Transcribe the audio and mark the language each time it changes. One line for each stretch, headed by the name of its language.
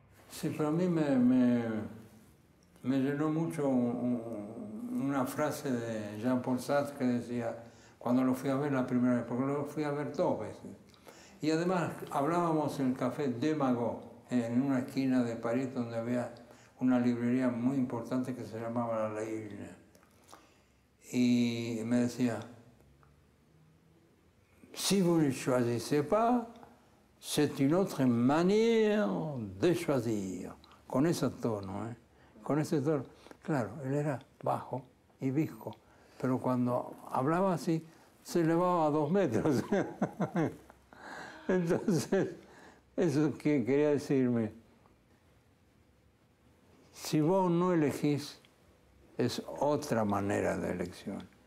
Spanish: Sí, pero a mí me llenó mucho una frase de Jean-Paul Sartre que decía, cuando lo fui a ver la primera vez, porque lo fui a ver dos veces. Y además hablábamos en el café de Magot, en una esquina de París donde había una librería muy importante que se llamaba La Leyline. Y me decía,
French: si vous ne choisissez pas, c'est une autre manière de choisir.
Spanish: Con ese tono, ¿eh? Con ese tono. Claro, él era bajo y visco, pero cuando hablaba así, se elevaba a 2 metros. Entonces, eso que quería decirme. Si vos no elegís, es otra manera de elección.